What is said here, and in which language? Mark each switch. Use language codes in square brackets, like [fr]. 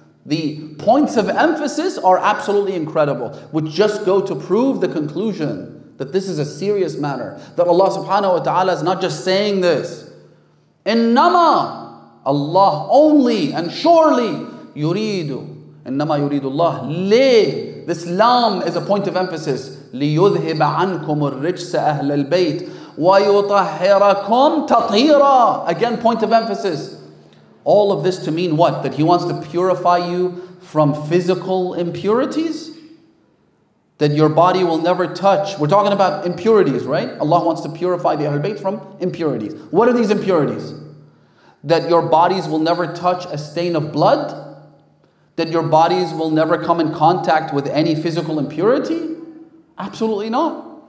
[en] The points of emphasis are absolutely incredible, which just go to prove the conclusion that this is a serious matter. That Allah subhanahu wa ta'ala is not just saying this. Innama, Allah only and surely yuridu. [ar] إنما يريد الله لي. [en] This lam is a point of emphasis. [ar] ليذهب عنكم الرجس أهل البيت ويطهركم تطهيرا. [en] Again, point of emphasis. All of this to mean what? That he wants to purify you from physical impurities? That your body will never touch. We're talking about impurities, right? Allah wants to purify the Ahlul Bayt from impurities. What are these impurities? That your bodies will never touch a stain of blood? That your bodies will never come in contact with any physical impurity? Absolutely not.